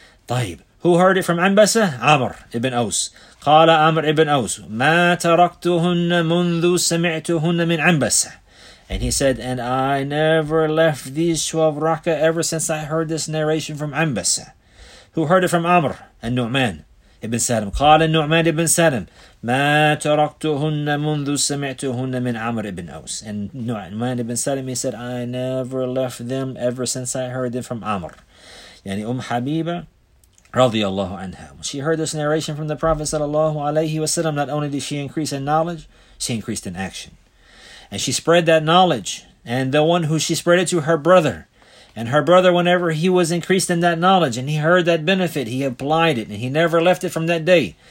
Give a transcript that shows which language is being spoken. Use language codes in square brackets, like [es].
[en] طيب, who heard it from عَنْبَسَ Amr ibn Aus. [ar] قال أمر ابن أوس ما تركتهن منذ سمعتهن من عنبسة [en] And he said, and I never left these 12 rak'ah ever since I heard this narration from عنبسة Who heard it from Amr? And [ar] نعمان ابن سالم قال نعمان ابن سالم ما تركتهن منذ سمعتهن من عمر ابن أوس [en] And نعمان ابن سالم he said, I never left them ever since I heard them from Amr [ar] يعني حبيبة [en] radiallahu anha. When she heard this narration from the Prophet sallallahu alayhi wa sallam, not only did she increase in knowledge, she increased in action. And she spread that knowledge. And the one who she spread it to, her brother. And her brother, whenever he was increased in that knowledge and he heard that benefit, he applied it, and he never left it from that day.